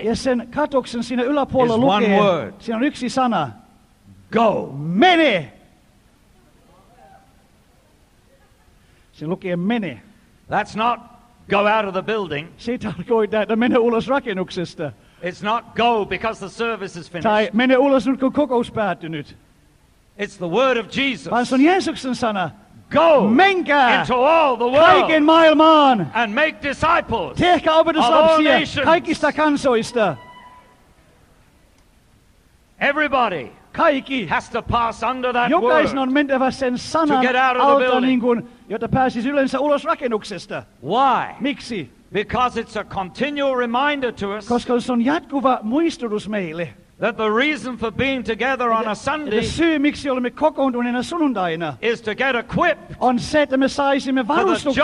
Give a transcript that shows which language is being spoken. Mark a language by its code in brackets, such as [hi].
[fi] ja sen katoksen siinä yläpuolella [en] is [fi] lukee, [en] one word. [fi] Siinä on yksi sana. [en] Go. [fi] Mene. Se lukee mene. [en] That's not go out of the building. [fi] Se tarkoittaa, että mene ulos rakennuksesta. [en] It's not go because the service is finished. [fi] Tai mene ulos nyt, kun kokous päättynyt. [en] It's the word of Jesus. [fi] Vaan se on Jeesuksen sana. [en] Go. [fi] Menkää. [en] Into all the world. [fi] Kaiken maailmaan. [en] And make disciples. [fi] Tehkää opetuslapsia kaikista kansoista. [en] Everybody. [fi] Kaikki. [en] Has to pass under that [fi] jokaisen [en] word. [fi] Jokaisen on mentävä sen sanan [en] to get out of the [fi] alta [en] building. [fi] Niin kuin, jotta pääsis yleensä ulos rakennuksesta. [en] Why? [fi] Miksi? [en] Because it's a continual reminder to us. [fi] Koska se on jatkuva muistutus meille. [en] That the reason for being together on a Sunday. [fi] The syy, miksi olemme kokoontuneena sunnuntaina. [en] Is to get equipped. [fi] On se, että me saisimme varustuksen.